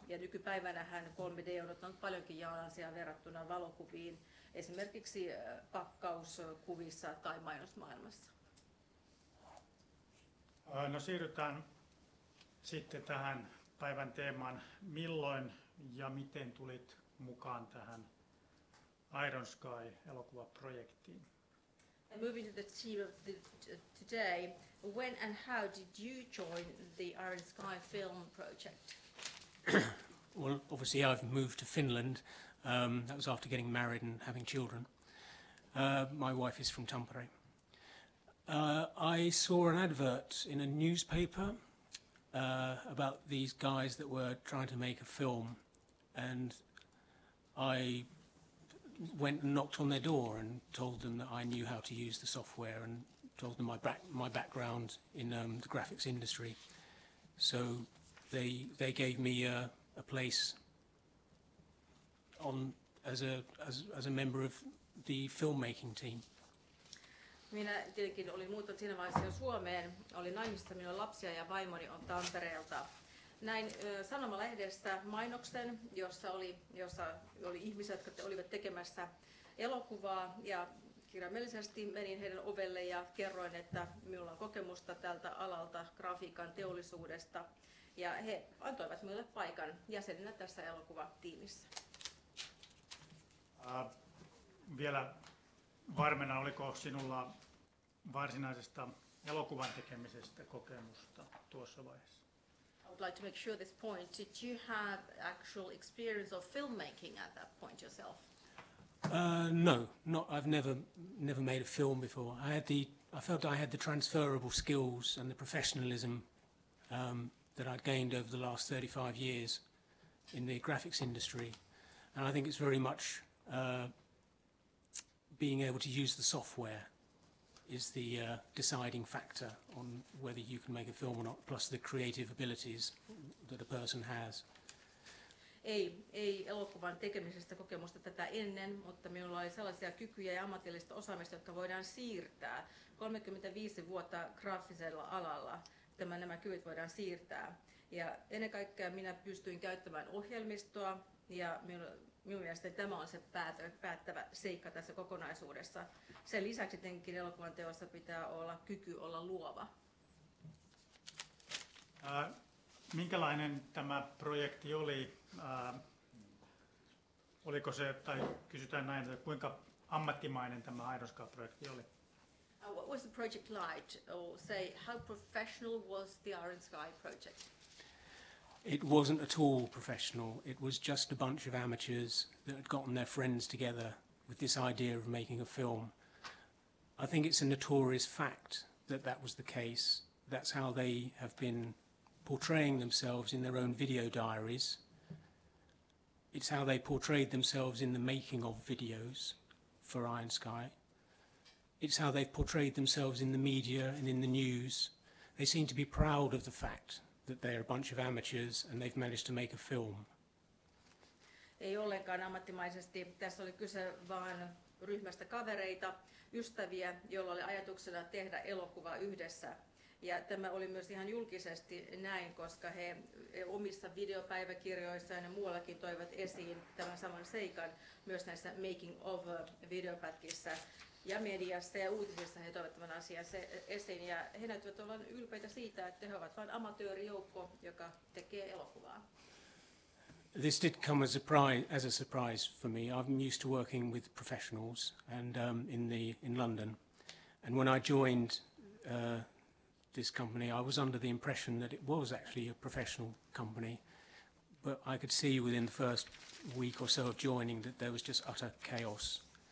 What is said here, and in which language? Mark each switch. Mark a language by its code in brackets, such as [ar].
[fi] Ja nykypäivänähän 3D on ottanut paljonkin jalansia verrattuna valokuviin, esimerkiksi pakkauskuvissa tai mainosmaailmassa. No siirrytään sitten tähän päivän teemaan. Milloin ja miten tulit mukaan tähän Iron Sky -elokuvaprojektiin? [en] And moving to the theme of today, when and how did you join the Iron Sky film project? Well, obviously I've moved to Finland. That was after getting married and having children. My wife is from Tampere. I saw an advert in a newspaper about these guys that were trying to make a film, and I went and knocked on their door and told them that I knew how to use the software and told them my background in the graphics industry. So they gave me a place on as a member of the filmmaking team. [fi] Minä tietenkin olin muuttanut siinä vaiheessa jo Suomeen, olin naimisissa, minun lapsia ja vaimoni on Tampereelta. Näin Sanomalehdessä mainoksen, jossa oli ihmisiä, jotka olivat tekemässä elokuvaa, ja kirjaimellisesti menin heidän ovelle ja kerroin, että minulla on kokemusta tältä alalta, grafiikan teollisuudesta, ja he antoivat minulle paikan jäsenenä tässä elokuvatiimissä. Vielä varmena, oliko sinulla varsinaisesta elokuvan tekemisestä kokemusta tuossa vaiheessa? [en] I would like to make sure this point. Did you have actual experience of filmmaking at that point yourself? No. I've never made a film before. I felt I had the transferable skills and the professionalism that I'd gained over the last 35 years in the graphics industry. And I think it's very much being able to use the software is the deciding factor on whether you can make a film or not, plus the creative abilities that a person has. [fi] Ei elokuvan tekemisestä kokemusta tätä ennen, mutta minulla oli sellaisia kykyjä ja ammatillista osaamista, jotka voidaan siirtää. 35 vuotta graafisella alalla nämä kyvyt voidaan siirtää. Ja ennen kaikkea minä pystyin käyttämään ohjelmistoa, ja minun mielestäni tämä on se päättävä seikka tässä kokonaisuudessa. Sen lisäksi tietenkin elokuvan teossa pitää olla kyky olla luova. Minkälainen tämä projekti oli? Oliko se, tai kysytään näin, että kuinka ammattimainen tämä Aidoskaa-projekti oli? [en] What was the project like? Or say, how professional was the Iron Sky project? It wasn't at all professional. It was just a bunch of amateurs that had gotten their friends together with this idea of making a film. I think it's a notorious fact that that was the case. That's how they have been portraying themselves in their own video diaries. It's how they portrayed themselves in the making of videos for Iron Sky. It's how they've portrayed themselves in the media and in the news. They seem to be proud of the fact that they are a bunch of amateurs and they've managed to make a film. [fi] Ei ollenkaan ammattimaisesti. Tässä oli kyse vaan ryhmästä kavereita, ystäviä, joilla oli ajatuksena tehdä elokuva yhdessä. Ja tämä oli myös ihan julkisesti näin, koska he omissa videopäiväkirjoissaan ja muuallakin toivat esiin tämän saman seikan myös näissä making of videopätkissä ja mediassa ja uutisissa he toivat tämän asian esiin. Ja he näyttävät olla ylpeitä siitä, että he ovat vain amatöörijoukko, joka tekee elokuvaa. [en] This did come as a surprise for me. I'm used to working with professionals and in London. And when I joined this company, I was under the impression that it was actually a professional company, but I could see within the first week or so of joining that there was just utter chaos.